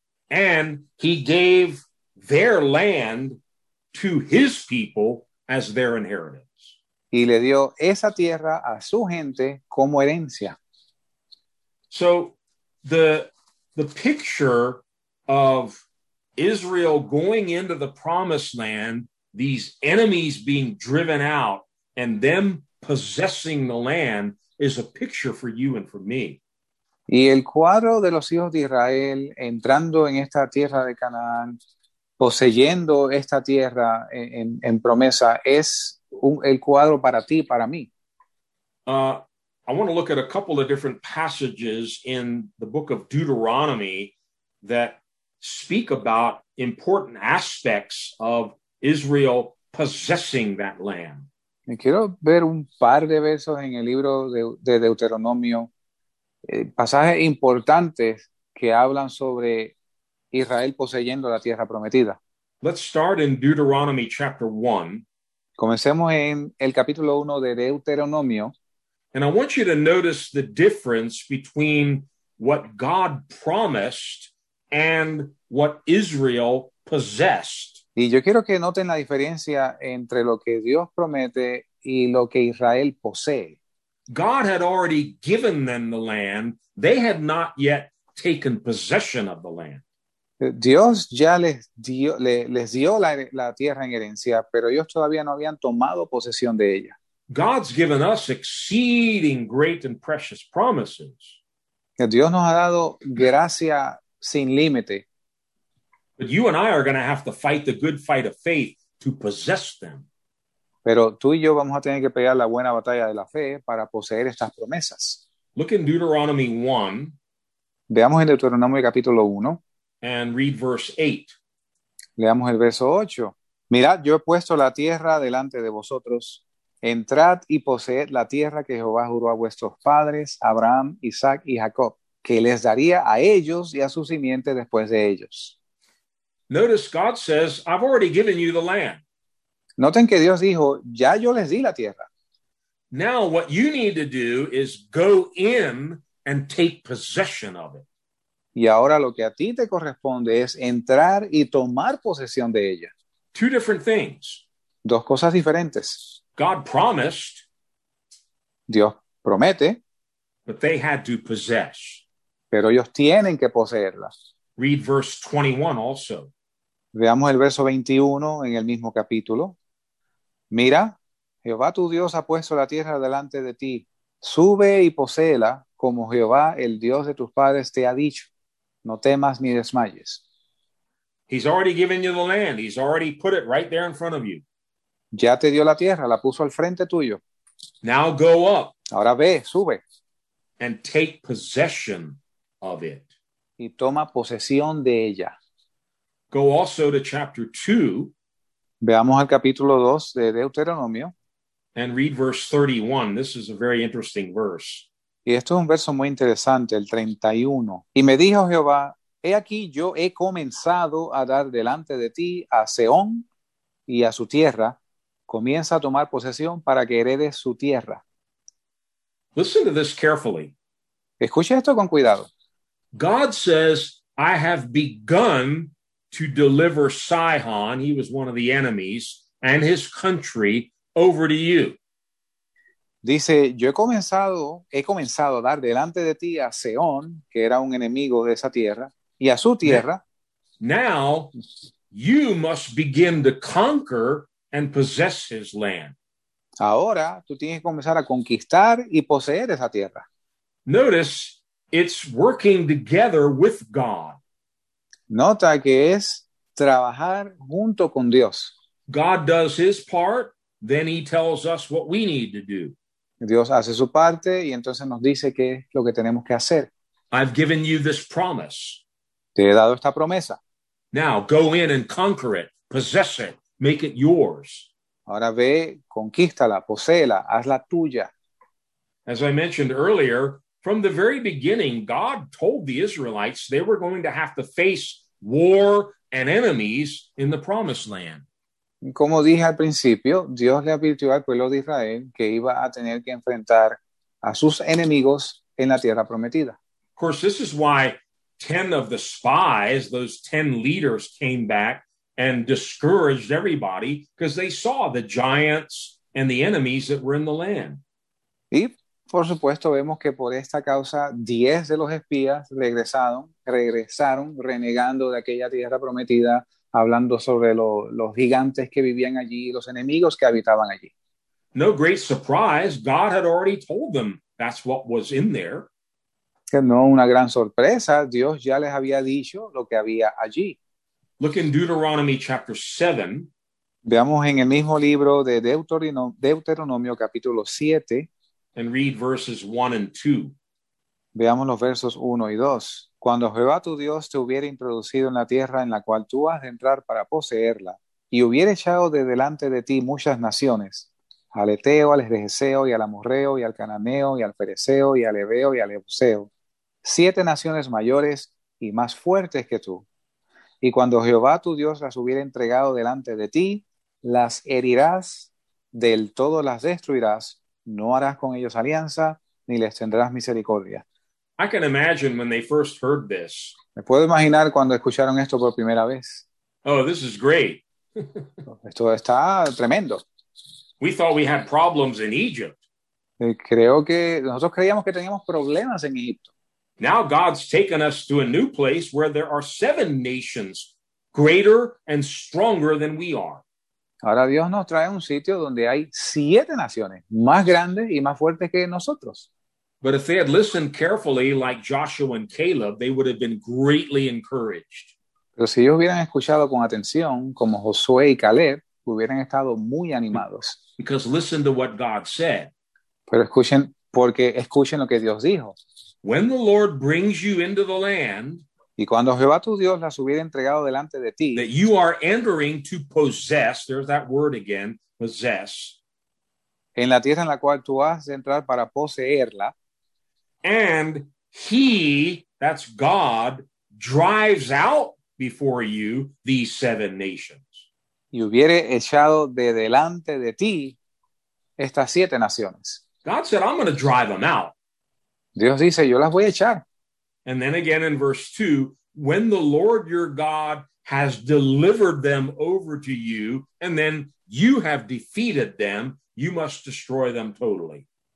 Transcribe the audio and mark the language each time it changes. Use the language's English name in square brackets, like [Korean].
[English] And he gave their land to his people as their inheritance. [Spanish] Y le dio esa tierra a su gente como herencia. [English] So the picture of Israel going into the promised land, these enemies being driven out and them possessing the land, is a picture for you and for me. [Spanish] Y el cuadro de los hijos de Israel entrando en esta tierra de Canaán, poseyendo esta tierra en promesa, es el cuadro para ti, para mí. [English] I want to look at a couple of different passages in the book of Deuteronomy that speak about important aspects of Israel possessing that land. [Spanish] Me quiero ver un par de versos en el libro de Deuteronomio, pasajes importantes que hablan sobre Israel poseyendo la tierra prometida. [English] Let's start in Deuteronomy chapter 1. [Spanish] Comencemos en el capítulo 1 de Deuteronomio. [English] And I want you to notice the difference between what God promised and what Israel possessed. [Spanish] Y yo quiero que noten la diferencia entre lo que Dios promete y lo que Israel posee. [English] God had already given them the land. They had not yet taken possession of the land. [Spanish] Dios ya les dio la tierra en herencia, pero ellos todavía no habían tomado posesión de ella. [English] God's given us exceeding great and precious promises. [Spanish] Dios nos ha dado gracia sin límite. [English] But you and I are going to have to fight the good fight of faith to possess them. [Spanish] Pero tú y yo vamos a tener que pelear la buena batalla de la fe para poseer estas promesas. [English] Look in Deuteronomy 1. [Spanish] Veamos en Deuteronomio capítulo 1. [English] And read verse 8. [Spanish] Leamos el verso 8. Mirad, yo he puesto la tierra delante de vosotros. Entrad y poseed la tierra que Jehová juró a vuestros padres, Abraham, Isaac y Jacob, que les daría a ellos y a su simiente después de ellos. [English] Notice God says, I've already given you the land. [Spanish] Noten que Dios dijo, ya yo les di la tierra. [English] Now what you need to do is go in and take possession of it. [Spanish] Y ahora lo que a ti te corresponde es entrar y tomar posesión de ella. [English] Two different things. [Spanish] Dos cosas diferentes. [English] God promised. [Spanish] Dios promete. [English] But they had to possess. [Spanish] Pero ellos tienen que poseerla. [English] Read verse 21 also. [Spanish] Veamos el verso 21 en el mismo capítulo. Mira, Jehová tu Dios ha puesto la tierra delante de ti. Sube y poséela, como Jehová, el Dios de tus padres, te ha dicho. No temas ni desmayes. [English] He's already given you the land. He's already put it right there in front of you. [Spanish] Ya te dio la tierra, la puso al frente tuyo. [English] Now go up. [Spanish] Ahora ve, sube. [English] And take possession of it. [Spanish] Y toma posesión de ella. [English] Go also to chapter 2. [Spanish] Veamos al capítulo 2 de Deuteronomio. [English] And read verse 31. This is a very interesting verse. [Spanish] Y esto es un verso muy interesante, el 31. Y me dijo Jehová, he aquí yo he comenzado a dar delante de ti a Seón y a su tierra. Comienza a tomar posesión para que heredes su tierra. [English] Listen to this carefully. [Spanish] Escucha esto con cuidado. [English] God says, I have begun to deliver Sihon, he was one of the enemies, and his country over to you. [Spanish] Dice, yo he comenzado a dar delante de ti a Sihon, que era un enemigo de esa tierra, y a su tierra. [English] Now, you must begin to conquer and possess his land. [Spanish] Ahora, tú tienes que comenzar a conquistar y poseer esa tierra. [English] Notice, it's working together with God. [Spanish] Nota que es trabajar junto con Dios. [English] God does his part, then he tells us what we need to do. [Spanish] Dios hace su parte y entonces nos dice qué es lo que tenemos que hacer. [English] I've given you this promise. [Spanish] Te he dado esta promesa. [English] Now go in and conquer it, possess it, make it yours. [Spanish] Ahora ve, conquístala, poséela, hazla tuya. [English] As I mentioned earlier, from the very beginning, God told the Israelites they were going to have to face war and enemies in the promised land. [Spanish] Como dije al principio, Dios le advirtió al pueblo de Israel que iba a tener que enfrentar a sus enemigos en la tierra prometida. [English] Of course, this is why 10 of the spies, those 10 leaders, came back and discouraged everybody because they saw the giants and the enemies that were in the land. [Spanish] Y por supuesto, vemos que por esta causa, 10 de los espías regresaron renegando de aquella tierra prometida, hablando sobre los gigantes que vivían allí, los enemigos que habitaban allí. [English] No great surprise, God had already told them that's what was in there. [Spanish] Que no una gran sorpresa, Dios ya les había dicho lo que había allí. [English] Look in Deuteronomy chapter 7. [Spanish] Veamos en el mismo libro de Deuteronomio capítulo 7. [English] And read verses 1 and 2. [Spanish] Veamos los versos 1 y 2. Cuando Jehová tu Dios te hubiera introducido en la tierra en la cual tú has de entrar para poseerla, y hubiera echado de delante de ti muchas naciones, al Eteo, al Jereseo, y al Amorreo, y al Cananeo, y al Fereseo, y al Heveo, y al Ebuseo, 7 naciones mayores y más fuertes que tú. Y cuando Jehová tu Dios las hubiera entregado delante de ti, las herirás, del todo las destruirás, no harás con ellos alianza, ni les tendrás misericordia. [English] I can imagine when they first heard this. [Spanish] Me puedo imaginar cuando escucharon esto por primera vez. [English] Oh, this is great. [Spanish] Esto está tremendo. [English] We thought we had problems in Egypt. [Spanish] Creo que nosotros creíamos que teníamos problemas en Egipto. [English] Now God's taken us to a new place where there are 7 nations greater and stronger than we are. [Spanish] Ahora Dios nos trae a un sitio donde hay 7 naciones más grandes y más fuertes que nosotros. [English] But if they had listened carefully, like Joshua and Caleb, they would have been greatly encouraged. [Spanish] Pero si ellos hubieran escuchado con atención, como Josué y Caleb, hubieran estado muy animados. [English] Because listen to what God said. [Spanish] Pero escuchen, porque escuchen lo que Dios dijo. [English] When the Lord brings you into the land, [Spanish] y cuando Jehová tu Dios las hubiera entregado delante de ti, [English] that you are entering to possess, there's that word again, possess, [Spanish] en la tierra en la cual tú vas a entrar para poseerla. [English] And he, that's God, drives out before you these 7 nations. [Spanish] Y hubiere echado de delante de ti estas 7 naciones. [English] God said, I'm going to drive them out. [Spanish] Dios dice, yo las voy a echar. [English] And then again in verse 2, when the Lord your God has delivered them over to you, and then you have defeated them, you must destroy them totally.